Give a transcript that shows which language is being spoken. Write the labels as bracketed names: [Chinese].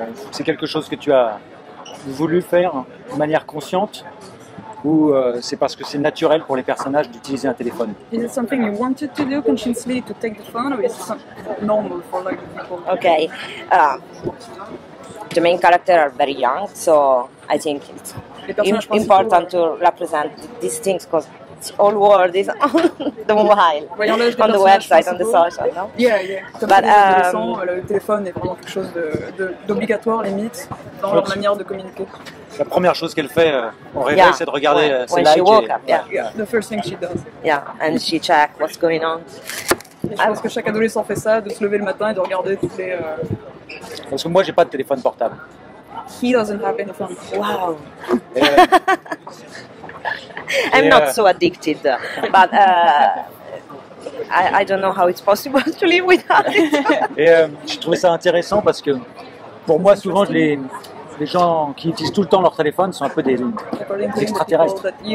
[French] C'est quelque chose que tu as voulu faire de manière consciente ou c'est parce que c'est naturel pour les personnages d'utiliser un téléphone? [English] Is it something you wanted to do consciously to take the phone or is it normal for like people? Okay. The main characters are very young, so I think it's important to represent these things because all world is on the mobile, on the website, on the social, no? Yeah, yeah. But, [French] le téléphone est vraiment quelque chose d'obligatoire, limite, dans leur manière de communiquer. La première chose qu'elle fait en réveil, c'est de regarder ses likes. [English] When she woke up, The first thing she does. Yeah, and she check what's going on. [French] Et je pense que chaque adolescent fait ça, de se lever le matin et de regarder toutes les... Parce que moi, j'ai pas de téléphone portable. [English] He doesn't have any phone. Wow. I'm not so addicted, but I don't know how it's possible to live without it. [French] Et je trouvais ça intéressant parce que pour moi, souvent, les gens qui utilisent tout le temps leur téléphone sont un peu des extraterrestres.